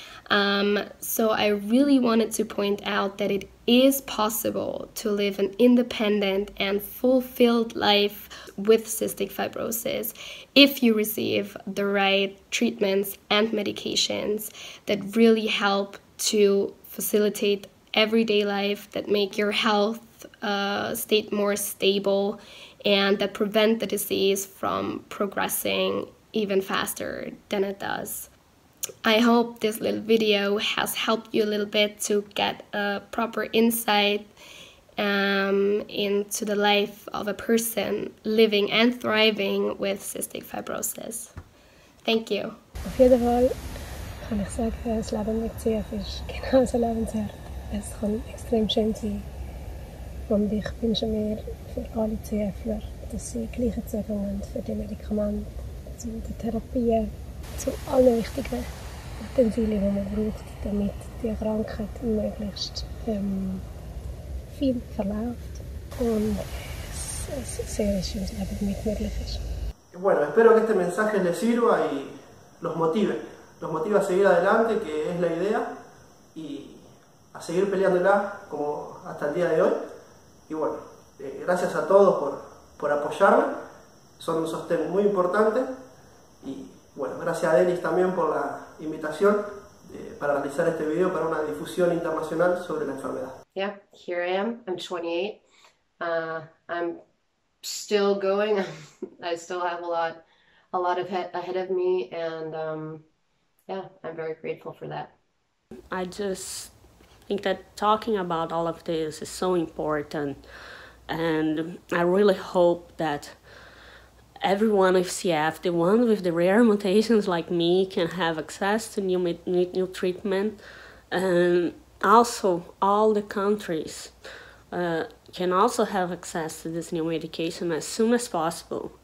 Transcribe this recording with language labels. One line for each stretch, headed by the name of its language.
English: So I really wanted to point out that it is possible to live an independent and fulfilled life with cystic fibrosis if you receive the right treatments and medications that really help to facilitate everyday life, that make your health state more stable, and that prevent the disease from progressing even faster than it does. I hope this little video has helped you a little bit to get a proper insight into the life of a person living and thriving with cystic fibrosis. Thank you.
German: Auf jeden Fall kann ich sagen, das Leben mit CF ist genauso lebenswert. Es kann extrem schön sein, und ich wünsche mir für alle CFler, dass sie gleiche Zugang haben für die Medikamente, zu den Therapien, zu allen wichtigen Utensilien, die man braucht, damit die Krankheit möglichst viel verläuft und es sehr schön Leben mit möglich ist.
Spanish: Bueno, espero que este mensaje les sirva y los motive a seguir adelante, que es la idea, y a seguir peleándola como hasta el día de hoy. Y bueno, gracias a todos por apoyarme, son un sostén muy importante, y bueno, gracias a Denis también por la invitación para realizar este video para una difusión internacional sobre la enfermedad.
English: Yeah, here I am, I'm 28, I'm still going, I still have a lot of ahead of me, and yeah, I'm very grateful for that. I just think that talking about all of this is so important, and I really hope that everyone with CF, the one with the rare mutations like me, can have access to new treatment, and also all the countries can also have access to this new medication as soon as possible.